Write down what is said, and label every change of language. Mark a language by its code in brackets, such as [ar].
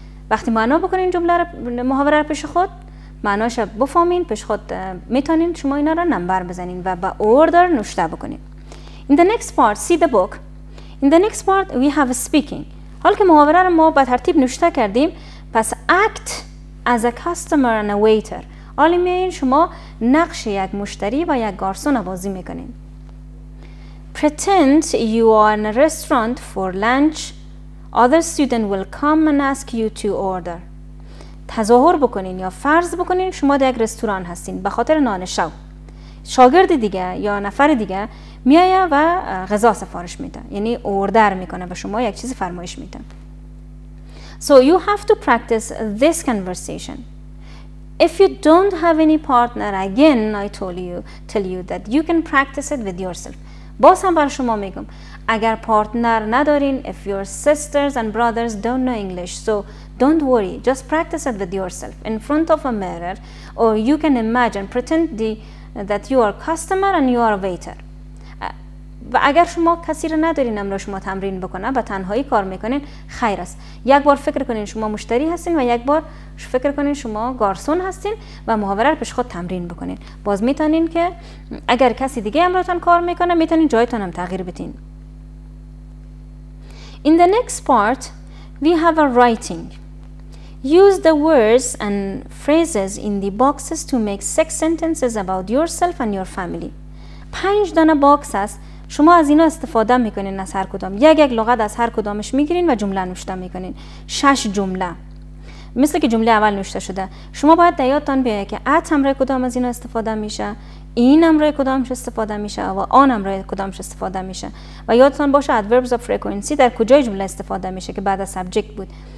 [fa] وقتی معنا بکنین جمله را محاوره را پیش خود معناش را بفهمین پیش خود میتونین شما اینا را نمبر بزنین و با اوردر نوشته بکنین. [en] In the next part, see the book. In the next part, we have speaking. [fa] حال که محاوره رو ما به ترتیب نوشته کردیم پس [en] act as a customer and a waiter [fa] آلی میایین شما نقش یک مشتری و یک گارسون رو بازی میکنین. [en] Pretend you are in a restaurant for lunch Other student will come and ask you to order. [fa] تظاهر بکنین یا فرض بکنین شما در یک رستوران هستین به خاطر نان شب. شاگرد دیگه یا نفر دیگه میایه و غذا سفارش میده. یعنی اوردر میکنه و شما یک چیز فرمایش میده. [en] So you have to practice this conversation. If you don't have any partner, again I told you, tell you that you can practice it with yourself. [fa] باز هم بر شما میگم. اگر پارتنر ندارین, [en] if your sisters and brothers don't know English, so don't worry, just practice it with yourself in front of a mirror, or you can imagine, pretend that you are a customer and you are a waiter. [fa] و اگر شما کسی رو ندارین امرو شما تمرین بکنه و تنهایی کار میکنین, خیر است. یک بار فکر کنین شما مشتری هستین و یک بار فکر کنین شما گارسون هستین و محاوره رو پیش خود تمرین بکنین. باز میتونین که اگر کسی دیگه امروتان کار میکنه میتونین جایتان هم تغییر بدین. [en] In the next part, we have a writing. Use the words and phrases in the boxes to make 6 sentences about yourself and your family. [fa] 5 دانه باکس است. شما از اینا استفاده میکنین از هر کدام. یک لغت از هر کدامش میگیرین و جمله نوشته میکنین. 6 جمله. مثل که جمله اول نوشته شده. شما باید در یادتان بیاید که اتم را کدام از اینا استفاده میشه. این امر کدامش استفاده میشه و آن امر کدامش استفاده میشه و یادتان باشه adverbs of frequency در کجای جمله استفاده میشه که بعد از subject بود.